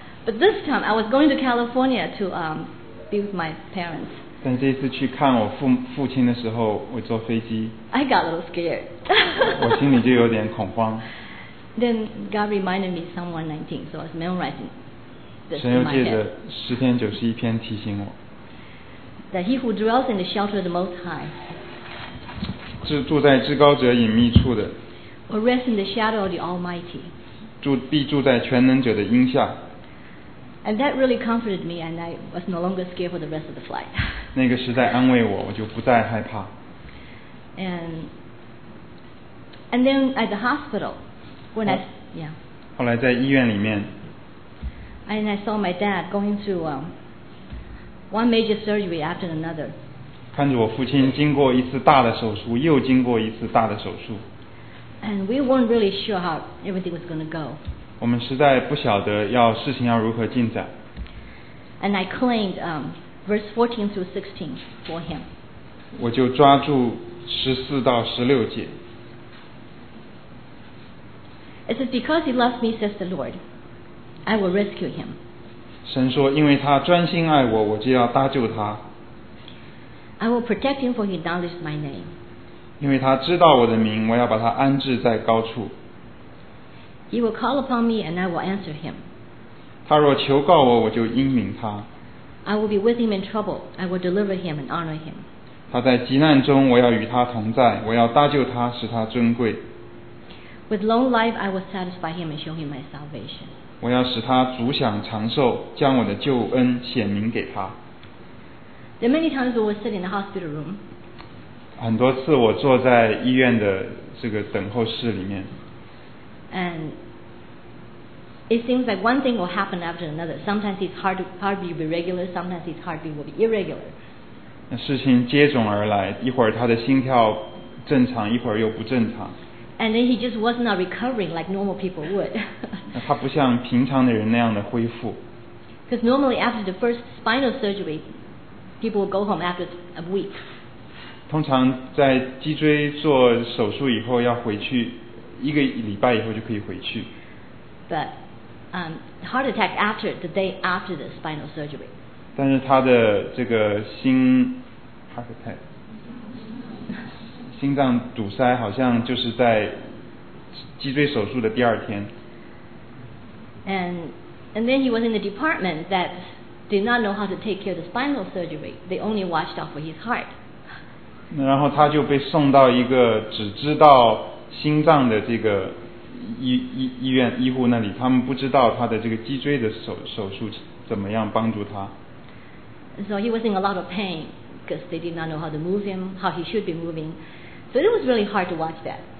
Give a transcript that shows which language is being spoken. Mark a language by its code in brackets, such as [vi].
[en] But this time I was going to California to be with my parents. [zh] 但这一次去看我父亲的时候，我坐飞机。 [en] I got a little scared. [zh] 我心里就有点恐慌。 [en] Then God reminded me Psalm 119, so I was memorizing this in my head. [zh] 神又借着诗篇九十一篇提醒我。 [en] That he who dwells in the shelter of the Most High. [zh] 住在至高者隐秘处的。 [en] Or rest in the shadow of the Almighty. [zh] 必住在全能者的荫下。 [en] And that really comforted me, and I was no longer scared for the rest of the flight. [zh] 那个实在安慰我，我就不再害怕。 [en] And then at the hospital, when I yeah. [zh] 后来在医院里面。 [en] And I saw my dad going through one major surgery after another. [zh] 看着我父亲经过一次大的手术，又经过一次大的手术。 [en] And we weren't really sure how everything was going to go. [zh] 我们实在不晓得要事情要如何进展。 [en] And I claimed verse 14 through 16 for him. [zh] 我就抓住14到16节。 [en] It says, because he loves me, says the Lord, I will rescue him. [zh] 神说，因为他专心爱我，我就要搭救他。 [en] I will protect him, for he acknowledges my name. [zh] 因为他知道我的名，我要把他安置在高处。 [en] He will call upon me, and I will answer him. [zh] 他若求告我，我就应允他。 [en] I will be with him in trouble. I will deliver him and honor him. [zh] 他在急难中，我要与他同在，我要搭救他，使他尊贵。 [en] With long life, I will satisfy him and show him my salvation. [zh] 我要使他主享长寿，将我的救恩显明给他。 [en] There many times we would sit in the hospital room. [zh] 很多次我坐在医院的这个等候室里面。 [en] And it seems like one thing will happen after another. Sometimes it's hard to be regular, sometimes it's hard to be irregular. [zh] 事情接踵而来，一会儿他的心跳正常，一会儿又不正常。 [en] And then he just was not recovering like normal people would. [zh] 他不像平常的人那样的恢复。 [en] Because normally after the first spinal surgery, people will go home after a week. [zh] 通常在脊椎做手术以后要回去，一个礼拜以后就可以回去。 [en] But heart attack after the day after the spinal surgery. [zh] 但是他的这个心 heart attack 心脏堵塞好像就是在脊椎手术的第二天。 [en] And then he was in the department that did not know how to take care of the spinal surgery. They only watched out for his heart. [zh] 然后他就被送到一个只知道心脏的这个医院医护那里，他们不知道他的这个脊椎的手术怎么样帮助他。 [en] So he was in a lot of pain because they did not know how to move him, how he should be moving. So it was really hard to watch that.